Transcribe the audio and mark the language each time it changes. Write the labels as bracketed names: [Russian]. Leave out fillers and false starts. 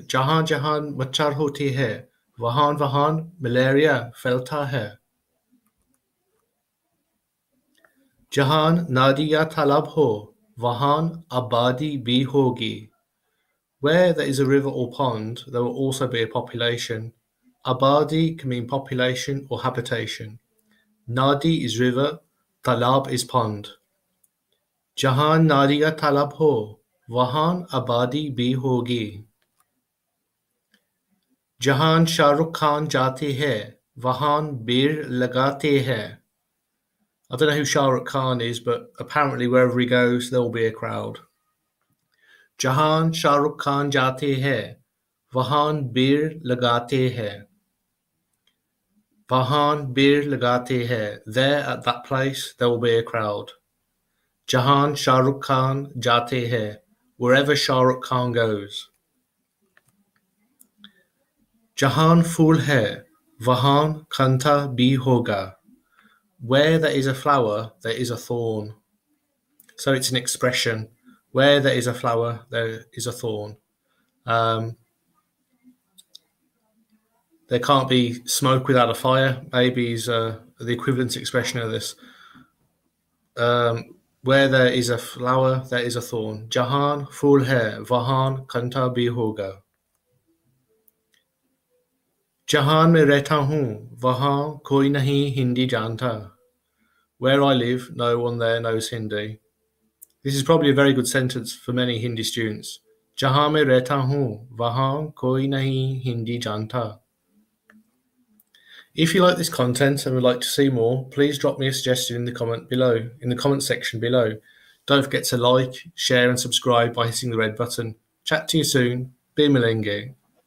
[Hindi] जहाँ जहाँ मच्छर होती है, वहाँ वहाँ मलेरिया फैलता है। जहाँ नदी या तालाब हो, वहाँ आबादी भी होगी। [English] Where there is a river or pond, there will also be a population. Abadi can mean population or habitation. Nadi is river, talab is pond. [Hindi] जहाँ नदी या तालाब हो, वहाँ आबादी भी होगी। जहाँ शाहरुख़ ख़ान जाते है, वहाँ भीड़ लगते है। [English] I don't know who Shahrukh Khan is, but apparently wherever he goes, there will be a crowd. [Hindi] जहाँ शाहरुख़ ख़ान जाते है, वहाँ भीड़ लगते है। वहाँ भीड़ लगते है। [English] There, at that place, there will be a crowd. [Hindi] जहाँ शाहरुख़ ख़ान जाते है। [English] Wherever Shahrukh Khan goes. [Hindi] जहाँ फूल है, वहाँ काँटा भी होगा। [English] Where there is a flower, there is a thorn. So it's an expression. Where there is a flower, there is a thorn. There can't be smoke without a fire, maybe is the equivalent expression of this. Where there is a flower, there is a thorn. [Hindi] जहाँ फूल है, वहाँ काँटा भी होगा। जहाँ में रहता हूँ, वहाँ कोई नहीं हिंदी जानता। [English] Where I live, no one there knows Hindi. This is probably a very good sentence for many Hindi students. [Hindi] जहाँ मैं रहता हूँ, वहाँ कोई नहीं हिंदी जानता। [English] If you like this content and would like to see more, please drop me a suggestion in the comment section below. Don't forget to like, share and subscribe by hitting the red button. Chat to you soon. Bimilenge.